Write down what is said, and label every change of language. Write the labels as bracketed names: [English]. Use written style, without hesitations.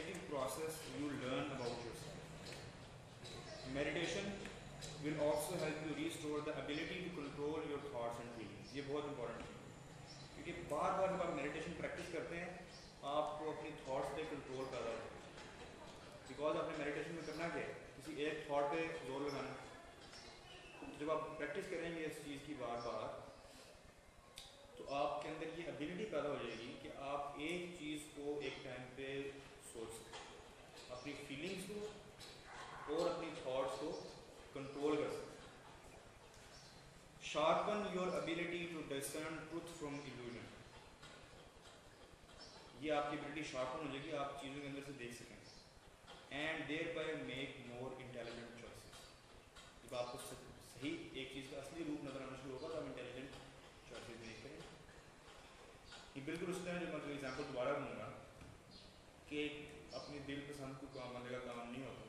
[English] process you learn about yourself. Meditation will also help you restore the ability to control your thoughts and feelings. [Hindi] ये बहुत important है क्योंकि बार बार जब आप meditation practice करते हैं आपको अपने thoughts पे control करना है. Because आपने meditation में करना क्या है, किसी एक thought पे जोर लगाना है. जब आप practice करेंगे इस चीज़ की बार बार तो आपके अंदर ये ability पैदा हो जाएगी कि आप एक चीज़ को एक time पे सोच सकें, अपनी feelings को और अपनी thoughts को control कर सकें. [English] Sharpen your ability to discern truth from illusion. [Hindi] ये आपकी ability sharpen हो जाएगी, आप चीज़ों के अंदर से देख सकें. [English] And thereby make more intelligent choices. [Hindi] जब आपको सही एक चीज़ का असली रूप नजर आना शुरू होगा तो आप intelligent choices make करें. ये बिल्कुल उस तरह जो मैं एग्जाम्पल दोबारा दूंगा कि अपने दिल पसंद को काम आने का काम नहीं होता.